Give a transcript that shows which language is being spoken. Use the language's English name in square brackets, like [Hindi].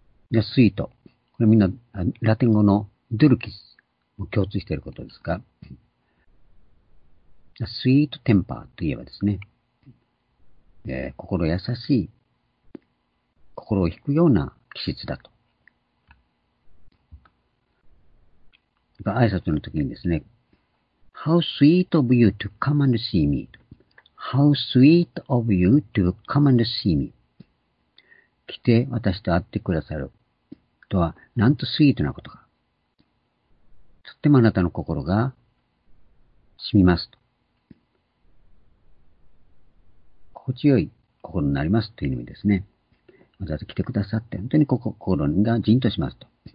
[Japanese] でスイート、これみんなラテン語のドゥルキスも共通していることですが、スイートテンパーといえばですね、心優しい、心を引くような気質だと。挨拶の時にですね、 [English] How sweet of you to come and see me. How sweet of you to come and see me. [Japanese] 来て私と会ってくださるとは、なんとスイートなことか。とってもあなたの心が染みますと。心地よい心になりますという意味ですね。わざわざ来てくださって、本当に心がじんとしますと。